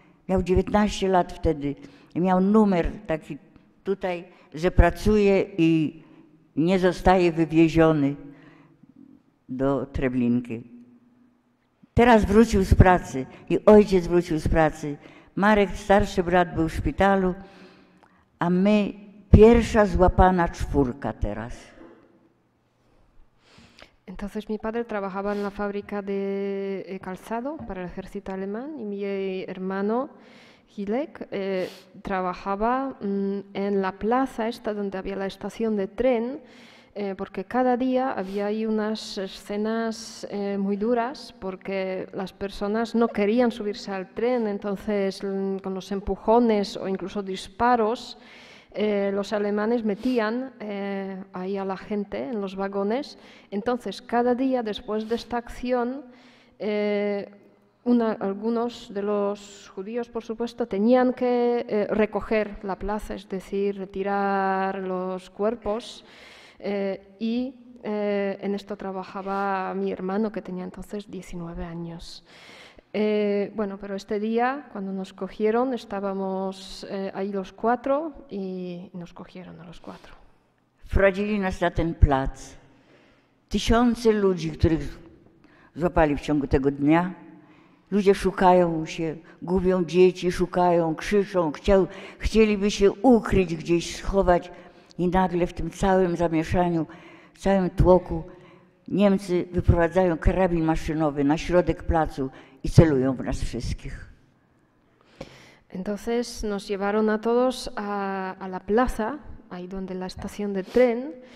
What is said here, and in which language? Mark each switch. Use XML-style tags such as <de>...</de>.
<pl>Miał 19 lat wtedy, miał numer taki tutaj, że pracuje i nie zostaje wywieziony do Treblinki. Teraz wrócił z pracy i ojciec wrócił z pracy. Marek, starszy brat, był w szpitalu, a my pierwsza złapana czwórka teraz.</pl> <es>Entonces mi padre trabajaba en la fábrica de calzado para el ejército alemán y mi hermano Hilek trabajaba en la plaza esta donde había la estación de tren. Porque cada día había ahí unas escenas muy duras, porque las personas no querían subirse al tren, entonces con los empujones o incluso disparos, los alemanes metían ahí a la gente en los vagones. Entonces, cada día después de esta acción, algunos de los judíos, por supuesto, tenían que recoger la plaza, es decir, retirar los cuerpos. Y en esto trabajaba mi hermano, que tenía entonces 19 años. Bueno, pero este día, cuando nos cogieron, estábamos ahí los cuatro y nos cogieron a los cuatro.</es> <pl>Wprowadzili nas na ten plac. Tysiące ludzi, których złapali w ciągu tego dnia. Ludzie szukają się, gubią dzieci, szukają, krzyczą, chcieliby się ukryć gdzieś, schować. I nagle w tym całym zamieszaniu, w całym tłoku Niemcy wyprowadzają karabin maszynowy na środek placu i celują w nas wszystkich.</pl> <es>Entonces nos llevaron a todos a la plaza, ahí donde la estación de tren.</es>